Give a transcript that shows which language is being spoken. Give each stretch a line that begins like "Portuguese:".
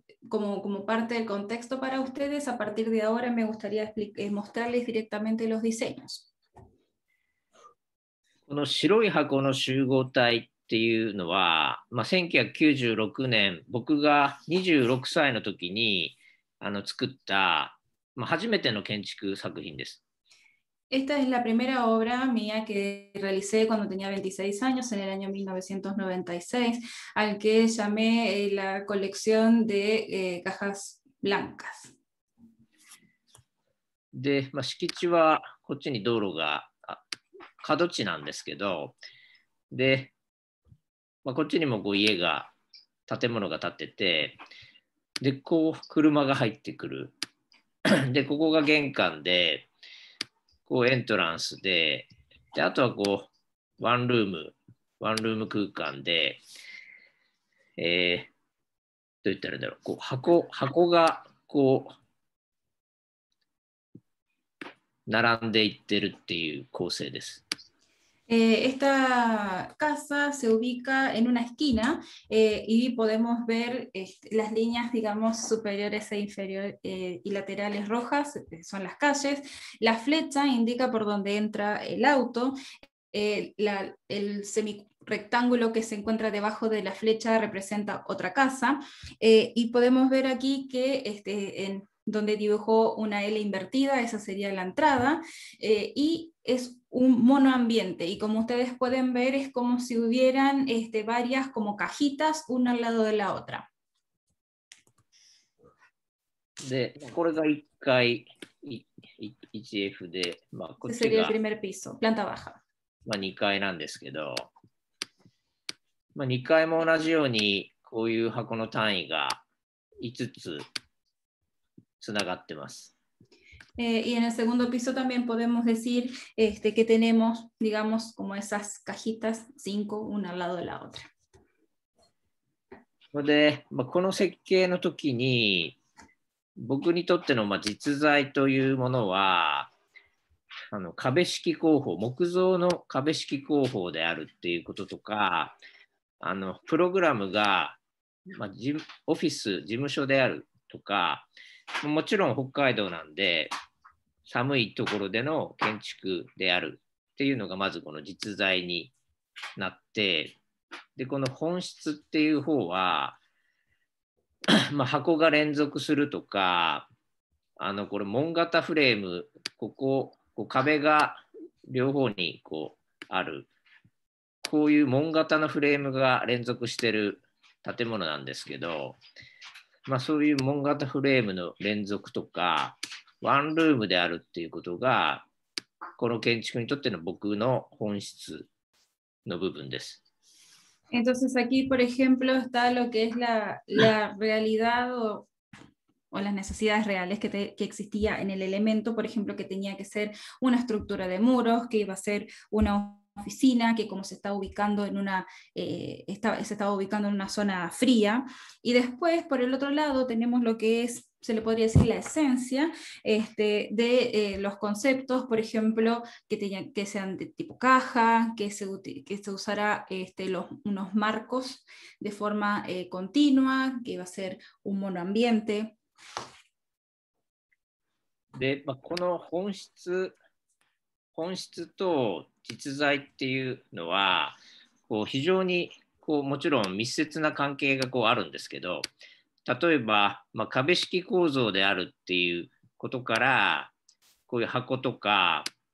Spanish: Como parte del contexto para ustedes, a partir de ahora me gustaría mostrarles directamente los diseños.
Japanese: この白い箱の集合体っていうのは、まあ、1996年、僕が26歳の時に作った初めての建築作品です。
Spanish: Esta es la primera obra mía que realicé cuando tenía 26 años, en el año 1996, al que llamé la colección de cajas blancas.
Japanese: で、まあ、敷地はこっちに道路が角地なんですけど、で、まあ、こっちにもこう家が建物が建ってて、で、こう車が入ってくる。で、ここが玄関で、こうエントランスで、で、あとはこうワンルーム空間で、どう言ったらいいんだろう、こう箱がこう、並んでいってるっていう構成です。
Spanish: Esta casa se ubica en una esquina y podemos ver las líneas, digamos, superiores e inferiores y laterales rojas, son las calles. La flecha indica por dónde entra el auto. El semirectángulo que se encuentra debajo de la flecha representa otra casa. Y podemos ver aquí que en donde dibujó una L invertida, esa sería la entrada, y es un monoambiente, y como ustedes pueden ver, es como si hubieran varias como cajitas, una al lado de la otra.
Japanese: De, これが1階、1F で、まあ、こっちが、
Spanish: sería el primer piso, planta baja.
Japanese: まあ2階なんですけど、まあ2階も同じように、こういう箱の単位が5つ、つながってます。
Spanish: Y en el segundo piso también podemos decir que tenemos, digamos, como esas cajitas, cinco, una al lado de la otra.
Japanese: で、まあ、この設計の時に、僕にとっての、まあ、実在というものは、あの壁式工法、木造の壁式工法であるっていうこととか、あのプログラムが、まあ、オフィス、事務所であるとか、もちろん北海道なんで寒いところでの建築であるっていうのがまずこの実在になって、でこの本質っていう方は、まあ、箱が連続するとか、あのこれ門型フレーム、ここ壁が両方にこうある、こういう門型のフレームが連続してる建物なんですけど、まあ、そういう門型フレームの連続とか、ワンルームであるっていうことが、この建築にとっての僕の本質の部分です。
Spanish: Entonces aquí, por ejemplo, está lo que es la realidad o las necesidades reales que existía en el elemento, por ejemplo, que tenía que ser una estructura de muros, que iba a ser una oficina, que como se está ubicando en una se estaba ubicando en una zona fría. Y después, por el otro lado, tenemos lo que es, se le podría decir, la esencia de los conceptos, por ejemplo, que sean de tipo caja, que se usara unos marcos de forma continua, que iba a ser un monoambiente.
Japanese: で、まあ、この本質と実在っていうのはこう非常にこうもちろん密接な関係がこうあるんですけど、例えば、まあ、壁式構造であるっていうことから、こういう箱とか